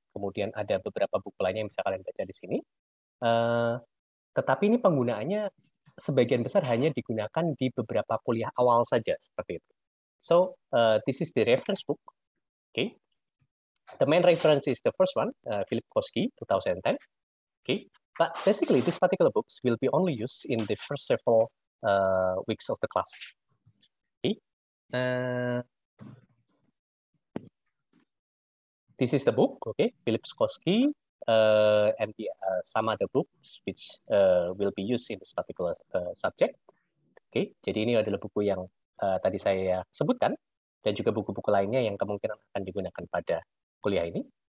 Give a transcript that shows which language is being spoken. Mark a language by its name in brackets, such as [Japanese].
[Indonesian] Kemudian ada beberapa buku lainnya yang bisa kalian baca di sini. Tetapi ini penggunaannya sebagian besar hanya digunakan di beberapa kuliah awal saja, seperti itu. [English] So, this is the reference book. Okay. The main reference is the first one, Philip Kosky, 2010. Okay. But basically, this particular books will be only used in the first several weeks of the class. Okay. This is the book, okay, Philip Kosky, and the, some other books which will be used in this particular subject. [Indonesian] Okay, jadi ini adalah buku yang tadi saya sebutkan, dan juga buku-buku lainnya yang kemungkinan akan digunakan pada kuliah ini.